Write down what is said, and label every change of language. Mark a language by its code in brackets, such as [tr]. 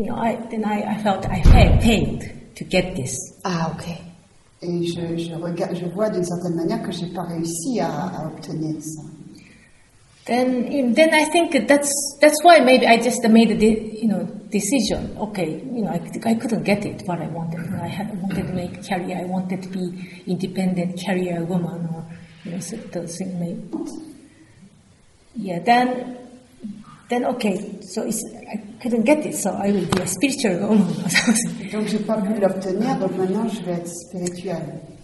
[en] I felt I failed to get this. Ah, okay. [fr] Et je vois d'une certaine manière que j'ai pas réussi à obtenir ça. [en] Then I think that's why maybe I just made the decision. Okay, I couldn't get it what I wanted. You know, I wanted to make a career. I wanted to be independent career woman or those things. Maybe. Then okay, so I couldn't get it, so I will be a spiritual woman or something. [fr] Donc j'ai pas pu l'obtenir, donc maintenant je vais être spirituelle.